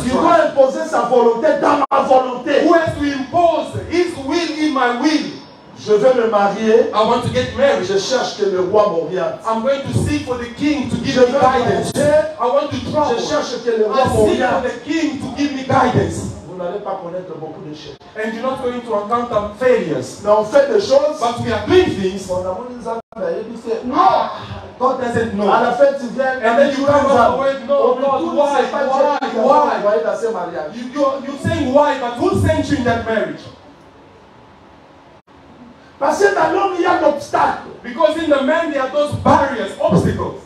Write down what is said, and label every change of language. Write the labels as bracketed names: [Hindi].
[French] Il doit imposer sa volonté dans ma volonté. [English] Who has to impose his will in my will? [French] Je veux me marier. [English] I want to get married. [French] Je cherche que le roi m'oriente. [English] I'm going to seek for the king to give me guidance. I want to travel. [French] Je cherche que le roi m'oriente. [English] I seek for the king to give me guidance. [French] Vous n'allez pas connaître beaucoup d'échecs. [English] And you're not going to encounter failures. [French] Mais on fait des choses. [English] But we are doing things. [French] On a mon exemple. Il dit non. [English] God doesn't know. [French] À la fin tu viens. [English] And then you come and say no. Oh God, why? [French] Vous voyez dans ce mariage. [English] You saying why? But who sent you in that marriage? [French] Parce que dans l'homme il y a d'obstacles. [English] Because in the man there are those barriers, obstacles.